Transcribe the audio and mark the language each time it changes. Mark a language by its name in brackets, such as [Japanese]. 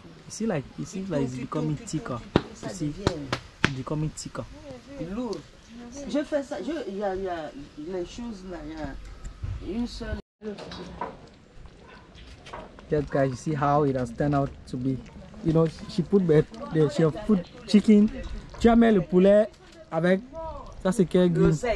[English] You see, like, it seems like it's becoming thicker. You see, it's becoming thicker. [French] Lourd. Je fais ça, il y a les choses là, il y a une seule. [English] Just guys, you see how it has turned out to be. You know, she put chicken. [French] Tu as mis le poulet avec, ça c'est quel goût?